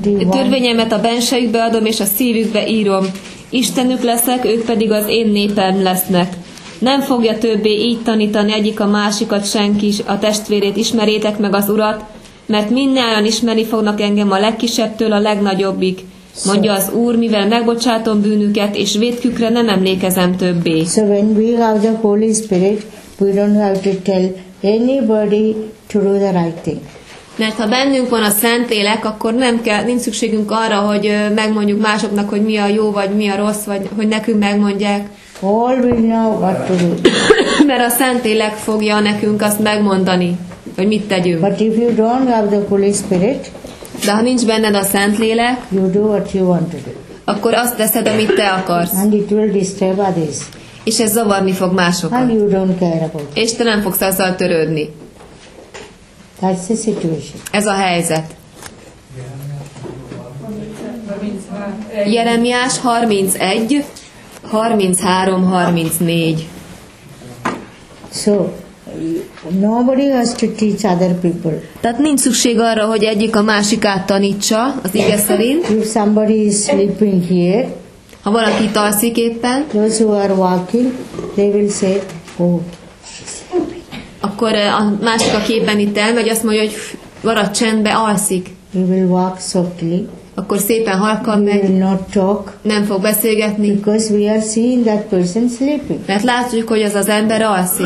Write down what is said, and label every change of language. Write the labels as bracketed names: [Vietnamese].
[Hungarian] Törvényemet a bensejükbe adom, és a szívükbe írom. Istenük leszek, ők pedig az én népem lesznek. Nem fogja többé így tanítani egyik a másikat senki, a testvérét, ismerétek meg az Urat, mert mindnyájan ismerni fognak engem a legkisebbtől a legnagyobbig, mondja az Úr, mivel megbocsátom bűnüket, és vétkükre nem emlékezem többé. [English] So when we have the Holy Spirit, we don't have to tell anybody to do the right thing. [Hungarian] Mert ha bennünk van a Szentlélek, akkor nem kell, nincs szükségünk arra, hogy megmondjuk másoknak, hogy mi a jó, vagy mi a rossz, vagy hogy nekünk megmondják. [English] All we know what to do. [Hungarian] Mert a Szentlélek fogja nekünk azt megmondani, hogy mit tegyünk. [English] But if you don't have the Holy Spirit, [Hungarian] de ha nincs benned a Szentlélek, [English] you do what you want to do. [Hungarian] Akkor azt teszed, amit te akarsz. [English] And it will disturb others. [Hungarian] És ez zavarni fog másokat. [English] And you don't care about it. [Hungarian] És te nem fogsz azzal törődni. [English] That's the situation. [Hungarian] Ez a helyzet. Jeremiás 31, 33, 34. [English] So, nobody has to teach other people. [Hungarian] Tehát nincs szükség arra, hogy egyik a másikát tanítsa, az ige szerint. [English] If somebody is sleeping here, [Hungarian] ha valaki talszik éppen, [English] those who are walking, they will say, oh. [Hungarian] Akkor a másik, aki éppen itt elmegy, azt mondja, hogy marad csendbe, alszik. [English] You will walk softly. [Hungarian] Akkor szépen halkan megy, [English] not talk, [Hungarian] nem fog beszélgetni, [English] because we are seeing that person sleeping. [Hungarian] Mert látjuk, hogy az az ember alszik.